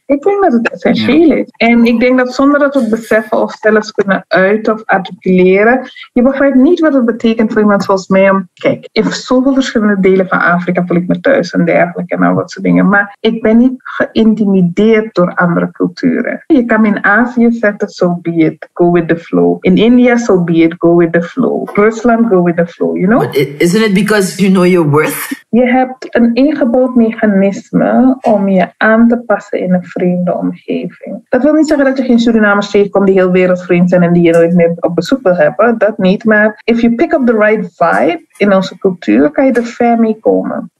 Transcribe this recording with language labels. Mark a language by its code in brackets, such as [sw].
[nl] Ik denk dat het essentieel is. En ik denk dat zonder dat we het beseffen of zelfs kunnen uiten of articuleren, je begrijpt niet wat het betekent voor iemand zoals mij om, kijk, in zoveel verschillende delen van Afrika voel ik me thuis en dergelijke en al dat soort dingen. Maar ik ben niet geïntimideerd door andere culturen. Je kan me in Azië zetten, [en] so be it, go with the flow. In India, so be it, go with the flow. Rusland, go with the flow, you know? But isn't it because you know your worth? [nl] Je hebt een ingebouwd mechanisme om je aan te passen in een vreemde omgeving. Dat wil niet zeggen dat je geen Surinamers tegenkomt die heel wereldvreemd zijn en die je nooit meer op bezoek wil hebben. Dat niet. Maar [en] if you pick up the right vibe [nl] in onze cultuur, kan je er ver mee komen.